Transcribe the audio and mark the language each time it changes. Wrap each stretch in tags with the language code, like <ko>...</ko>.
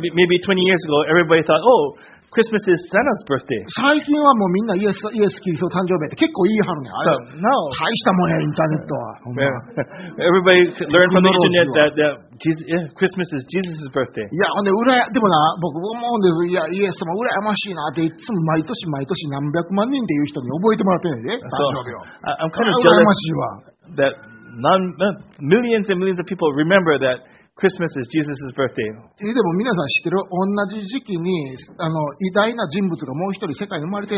<en>So maybe 20 years ago, everybody thought, Christmas is Santa's birthday.</en> <ja>最近はもうみんなイエスキリストの誕生日って結構言い張るね。</ja> <en>So, no.</en> <ja>大したもんや、インターネットは。</ja> <en>Everybody learned from the internet that Christmas is Jesus' birthday.</en> <ja>いや、ほんで、でもな、僕思うんです。いや、イエス様、羨ましいなって、いつも毎年毎年何百万人っていう人に覚えてもらってないで、誕生日を。</ja> <en>So, I'm kind of jealous that millions and millions of people remember that. Christmas is Jesus' birthday.</en> <ja>でも皆さん知ってる？同じ時期に偉大な人物がもう一人世界に生まれて。</ja>